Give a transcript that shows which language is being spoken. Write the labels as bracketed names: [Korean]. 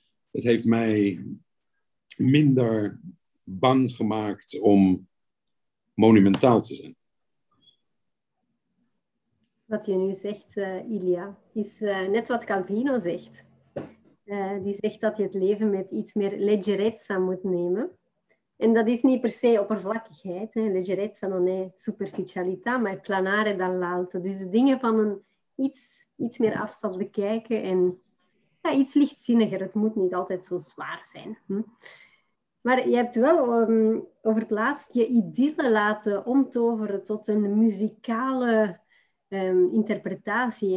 [Dutch] Het heeft mij minder bang gemaakt om monumentaal te zijn. Wat je nu zegt, Ilia, is net wat Calvino zegt. Die zegt dat je het leven met iets meer leggerezza moet nemen. En dat is niet per se oppervlakkigheid. Hè. [Italian] Leggerezza non è superficialità, maar planare dall'alto. [Dutch] Dus de dingen van een iets meer afstand bekijken en ja, iets lichtzinniger. Het moet niet altijd zo zwaar zijn. Hm? Maar je hebt wel over het laatst je idylle laten omtoveren tot een muzikale interpretatie.